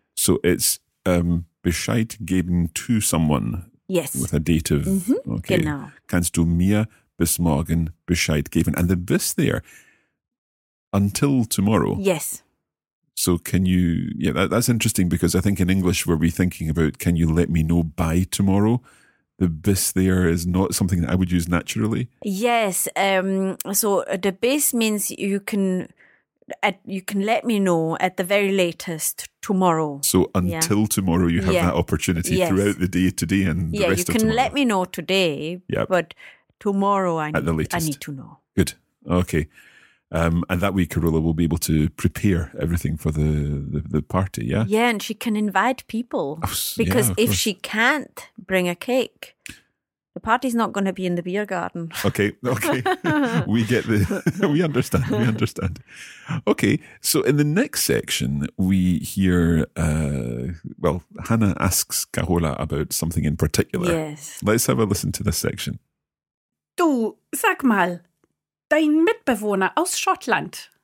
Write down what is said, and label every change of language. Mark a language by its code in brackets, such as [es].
[en] So it's [de] Bescheid geben [en] to someone. Yes. With a date of, okay. [de] Genau. Kannst du mir bis morgen Bescheid geben? [en] And the bis there, until tomorrow. Yes. So can you, that's interesting because I think in English we're thinking about, can you let me know by tomorrow? The bis there is not something that I would use naturally. Yes. So the bis means you can let me know at the very latest tomorrow. So until tomorrow you have that opportunity throughout the day today and the rest of tomorrow. Yeah, you can let me know today, but tomorrow I need to know. Good. Okay. And that way Carola will be able to prepare everything for the party, yeah? Yeah, and she can invite people. Because if she can't bring a cake, the party's not going to be in the beer garden. Okay. We get the... We understand. Okay, so in the next section, we hear... Hannah asks Carola about something in particular. Yes. Let's have a listen to this section. [de] Du, sag mal... Dein Mitbewohner aus Schottland.